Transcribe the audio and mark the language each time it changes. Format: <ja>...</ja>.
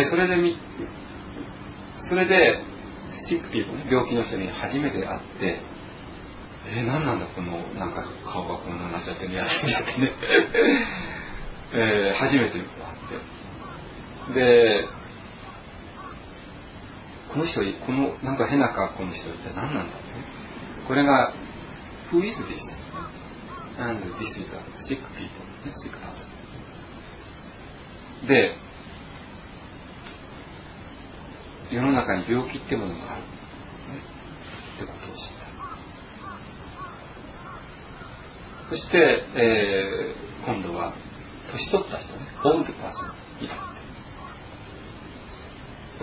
<ja>でそれでスティックピーポーね、病気の人に初めて会って、何なんだこのなんか顔がこんななっちゃってね、休んじゃってね初めて会って、でこの人、このなんか変な格好の人って何なんだって、ね、これが</ja> <en>Who is this? And this is a sick people, sick person.</en> <ja>で世の中に病気ってものがある、ね、ってことを知った。そして、今度は年取った人ね、オールドパーソンいたって。</ja>